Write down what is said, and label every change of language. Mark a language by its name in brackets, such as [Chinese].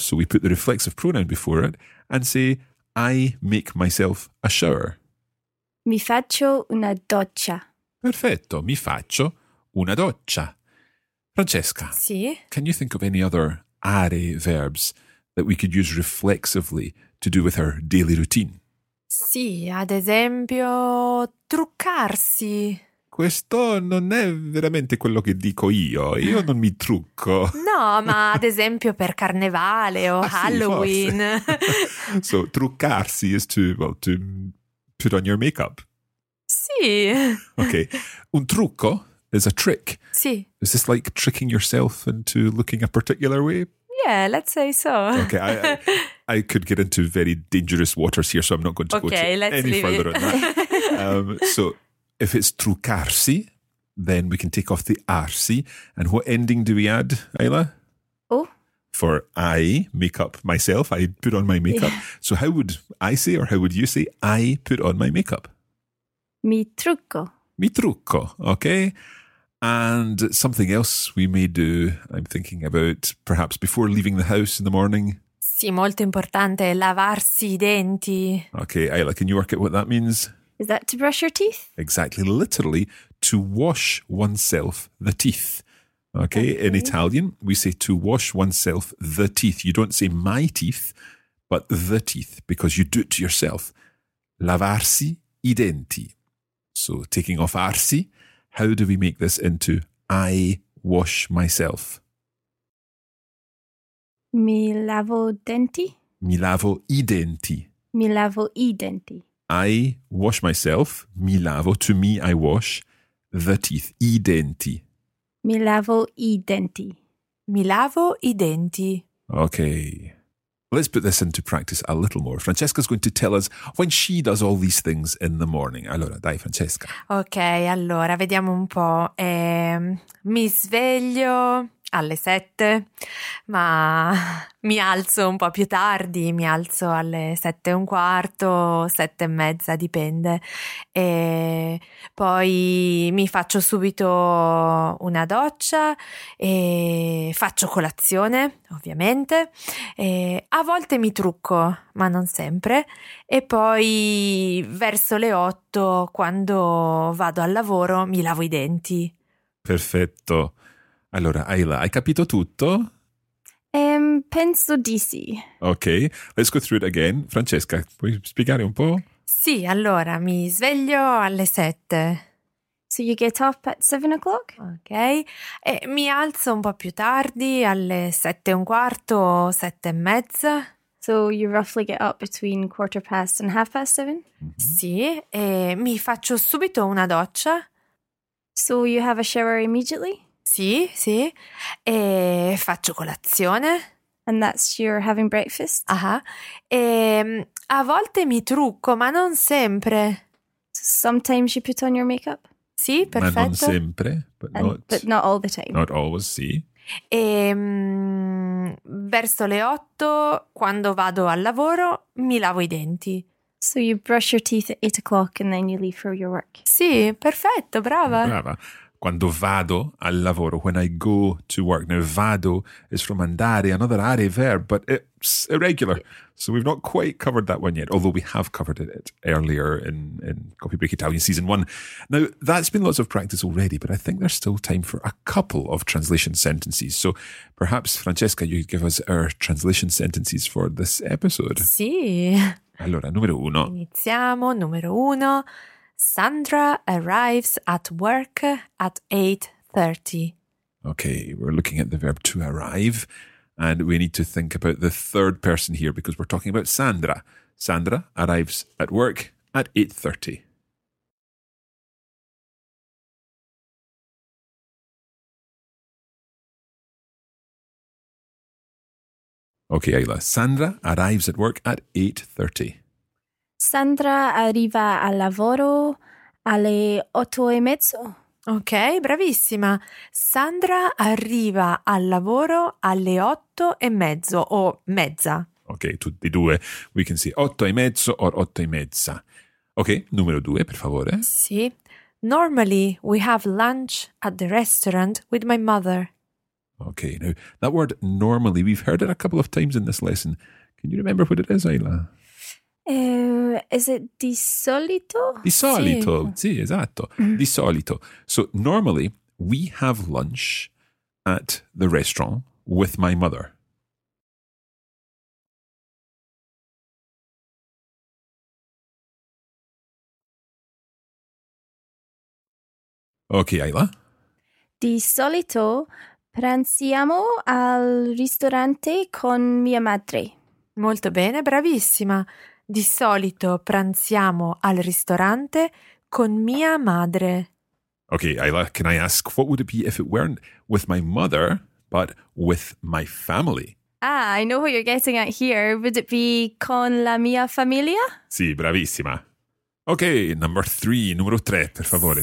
[English] So we put the reflexive pronoun before it and say, I make myself a shower. [Italian] Mi faccio una doccia. Perfetto. Mi faccio una doccia. Francesca, sì? [English] Can you think of any other are verbs that we could use reflexively to do with our daily routine? [Italian] Sì, ad esempio, truccarsi. Questo non è veramente quello che dico io. Io non mi trucco. No, ma ad esempio per carnevale o Halloween. [English] Sì, so, truccarsi is to, well, to put on your makeup. [Italian] Sì. [English] Okay. Un trucco is a trick. [Italian] Sì. [English] Is this like tricking yourself into looking a particular way? Yeah, let's say so. Okay, I could get into very dangerous waters here, so I'm not going to okay, go to any further it. On that. If it's truccarsi, then we can take off the arsi. And what ending do we add, Ayla? Oh. For I make up myself, I put on my makeup. Yeah. So how would I say, or how would you say, I put on my makeup? [Italian] Mi trucco. Mi trucco, okay. [English] And something else we may do, I'm thinking about perhaps before leaving the house in the morning. [Italian] Sì, molto importante, lavarsi i denti. [English] Okay, Ayla, can you work out what that means? Is that to brush your teeth? Exactly. Literally, to wash oneself the teeth. Okay? In Italian, we say to wash oneself the teeth. You don't say my teeth, but the teeth, because you do it to yourself. [Italian] Lavarsi I denti. [English] So taking off arsi, how do we make this into I wash myself? [Italian] Mi lavo denti. Mi lavo I denti. Mi lavo I denti. [English] I wash myself, [Italian] mi lavo, [English] to me I wash, the teeth, [Italian] I denti. Mi lavo I denti. Mi lavo I denti. [English] Okay, let's put this into practice a little more. Francesca's going to tell us when she does all these things in the morning. [Italian] Allora, dai Francesca. Okay, allora, vediamo un po'. Mi sveglio alle 7, ma mi alzo un po' più tardi, mi alzo alle 7:15, 7:30, dipende. E poi mi faccio subito una doccia e faccio colazione, ovviamente. E a volte mi trucco, ma non sempre. E poi verso le 8, quando vado al lavoro, mi lavo i denti. Perfetto. Allora, Ayla, hai capito tutto? Penso di sì. [English] Ok, let's go through it again. [Italian] Francesca, puoi spiegare un po'? Sì, allora, mi sveglio alle 7. [English] So you get up at 7:00? [Italian] Ok, e mi alzo un po' più tardi, alle 7:15, 7:30. [English] So you roughly get up between 7:15 and 7:30? Mm-hmm. [Italian] Sì, e mi faccio subito una doccia. [English] So you have a shower immediately? [Italian] Sì, sì. E faccio colazione. [English] And that's your having breakfast? Aha. [Italian] E a volte mi trucco, ma non sempre. [English] Sometimes you put on your makeup? [Italian] Sì, perfetto. Ma non sempre, [English] but, and, not, but not all the time. Not always, sì. [Italian] E verso le 8, quando vado al lavoro, mi lavo i denti. [English] So you brush your teeth at 8:00 and then you leave for your work? [Italian] Sì, perfetto, brava. Brava. Cuando vado al lavoro, [English] when I go to work. Now, vado is from andare, another are verb, but it's irregular. So we've not quite covered that one yet, although we have covered it earlier in Coffee Break Italian Season 1. Now, that's been lots of practice already, but I think there's still time for a couple of translation sentences. So perhaps, Francesca, you could give us our translation sentences for this episode. [Italian] Sì. Allora, numero uno. Iniziamo, numero uno. [English] Sandra arrives at work at 8:30. Okay, we're looking at the verb to arrive, and we need to think about the third person here because we're talking about Sandra. Sandra arrives at work at 8:30. Okay, Ayla. Sandra arrives at work at 8:30. [Italian] Sandra arriva al lavoro alle 8:30. Ok, bravissima. Sandra arriva al lavoro alle 8:30 o mezza. [English] Ok, [Italian] tutti e due. [English] We can say 8:30 or 8:30. [Italian] Ok, numero due, per favore. Sì. [English] Normally we have lunch at the restaurant with my mother. Ok, now that word normally, we've heard it a couple of times in this lesson. Can you remember what it is, Ayla? Is it [Italian] di solito? Di solito, sì, sì esatto. Di solito. [English] So normally we have lunch at the restaurant with my mother. Okay, Ayla. [Italian] Di solito pranziamo al ristorante con mia madre. Molto bene, bravissima. Di solito pranziamo al ristorante con mia madre. [English] Okay, Ayla, can I ask, what would it be if it weren't with my mother, but with my family? Ah, I know what you're getting at here. Would it be [Italian] con la mia famiglia? Sì, bravissima. [English] Okay, number three, [Italian] numero tre, per favore,